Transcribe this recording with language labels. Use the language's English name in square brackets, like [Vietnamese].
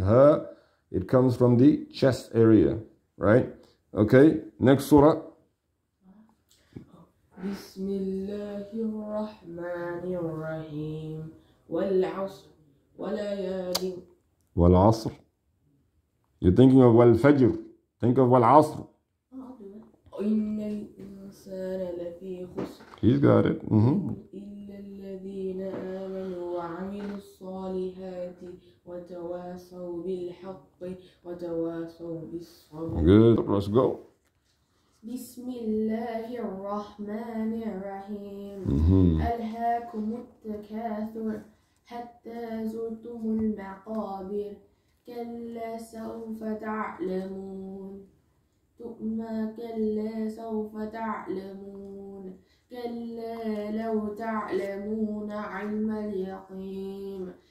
[English] Her, it comes from the chest area. Right? Okay, next surah. [Arabic] بسم الله الرحمن الرحيم والعصر وليالي والعصر. [English] You're thinking of والفجر. Think of والعصر. [Arabic] إن الإنسان لفي خسر. [English] He's got it. [Arabic] إلا الذين آمنوا وعملوا الصالحات وتواصوا بالحق وتواصوا بالصبر. [English] Good. Let's go. [Arabic] بسم الله الرحمن الرحيم ألهاكم التكاثر حتى زرتم المقابر كلا سوف تعلمون ثم كلا سوف تعلمون كلا لو تعلمون علم اليقين